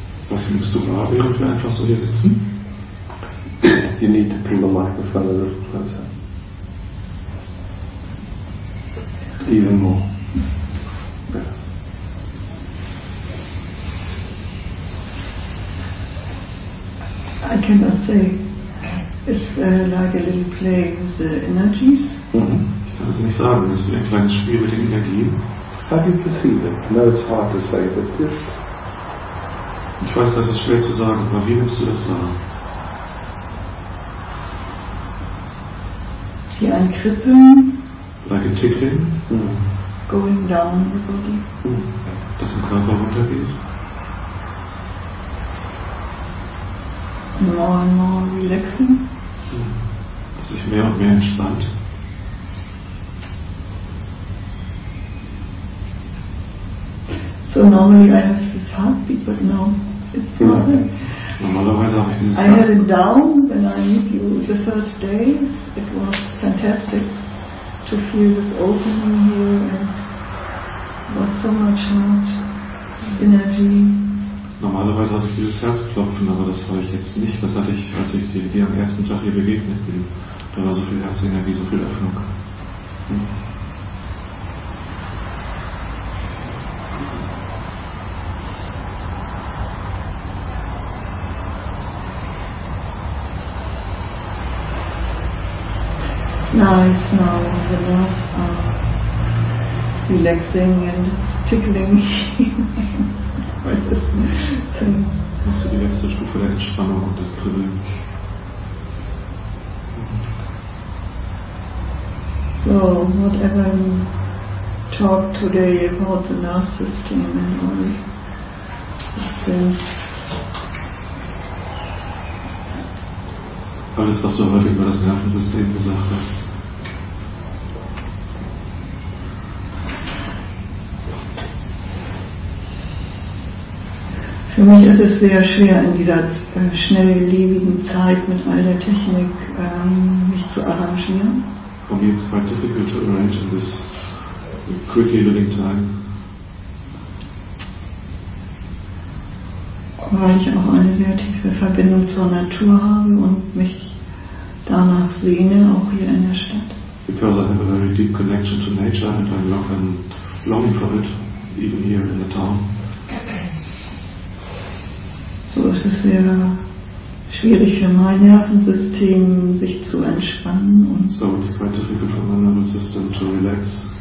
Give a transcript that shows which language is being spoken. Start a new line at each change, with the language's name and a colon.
German: Was nimmst du wahr, während wir einfach so hier sitzen?
English: You need to pull the microphone a little closer. Even more. I cannot say. It's like a little play with the energies.
German: Ich kann es nicht sagen, es ist wie ein kleines Spiel mit den Energien.
English: How do you perceive it? No, it's hard to say, but just...
German: Ich weiß, das ist schwer zu sagen, aber wie nimmst du das wahr? Wie ein Kribbeln.
English: Like a tickling. Going down the body.
German: Dass im Körper runtergeht.
English: More and more relaxing.
German: Dass sich mehr und mehr entspannt.
English: So normally I have this heartbeat, but now it's not.
German: Normalerweise habe ich dieses Herz.
English: I had it down when I meet you the first day. It was fantastic to feel this opening here, and was so much heart energy.
German: Normalerweise habe ich dieses Herzklopfen, aber das habe ich jetzt nicht. Das hatte ich, als ich dir am ersten Tag hier begegnet bin. Da war so viel Herzenergie, so viel Öffnung.
English: Nice, now the nerves are relaxing and it's tickling.
German: Das ist die letzte Stufe der Entspannung und des Kribbeln.
English: So, whatever you talk today about the nervous system and all things.
German: Alles, was du heute über das Nervensystem gesagt hast. Für mich ist es sehr schwer, in dieser schnelllebigen Zeit mit all der Technik mich zu arrangieren.
English: For me it's quite difficult to arrange in this quickly living time.
German: Weil ich auch eine sehr tiefe Verbindung zur Natur habe und mich danach sehne, auch hier in der Stadt.
English: Because I have a very deep connection to nature and I'm longing for it, even here in the town.
German: So ist es sehr schwierig für mein Nervensystem, sich zu entspannen. Und
English: so, it's quite difficult for my nervous system to relax.